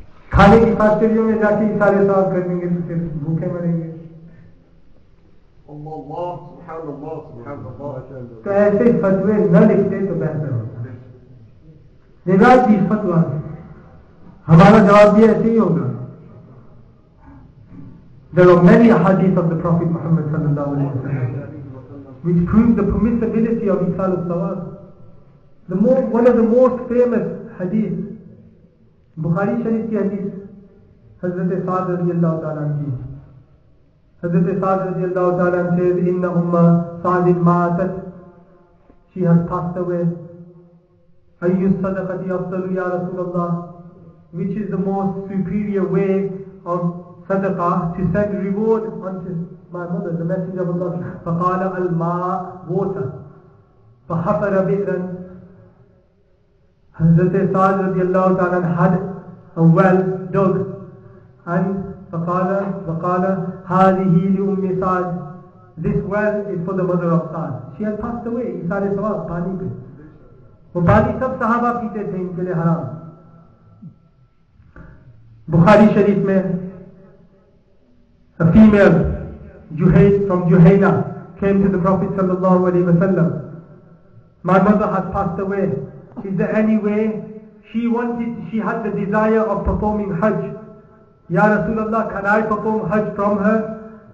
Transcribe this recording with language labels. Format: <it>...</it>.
<ur>کھانے کی فیکٹریوں میں جا کے اشارے صاف کر دیں گے تو پھر بھوکے مریں گے. تو ایسے فتوے نہ لکھتے تو بہتر ہوتا. نگاہ کی فتوا ہمارا جواب بھی ایسے ہی ہوگا.</ur> <en>There are many hadith of the Prophet Muhammad sallallahu alaihi wasallam which prove the permissibility of Isal al-Sawab. The more, one of the most famous hadith,</en> <ur>Bukhari Sharif ki hadith,</ur> <en>Hazrat Sa'd رضی اللہ تعالیٰ عنہ, حضرت سعد رضی اللہ تعالیٰ عنہ said,</en> <ar>ان ام سعد ماتت,</ar> <en>she has passed away,</en> <ar>ای الصدقۃ افضل یا رسول اللہ,</ar> <en>which is the most superior way of صدقہ to send reward unto my mother, the messenger of Allah.</en> <ar>فقال الماء</ar> <en>water,</en> <ar>فحفر بئرا.</ar> <en>حضرت سعد رضی اللہ تعالیٰ عنہ had a well dug, and</en> <ar>فقال هذه لأم سعد,</ar> <en>this well is for the mother of Sa'd, she has passed away.</en> <ur>اشار ثواب پانی پہ, وہ پانی سب صحابہ پیتے تھے, ان کے لئے حرام. بخاری شریف میں</ur> <en>a female جہید from جہیدہ came to the Prophet صلی اللہ علیہ وسلم, my mother has passed away, is there any way? She had the desire of performing Hajj. Ya Rasulullah, can I perform Hajj from her?</en>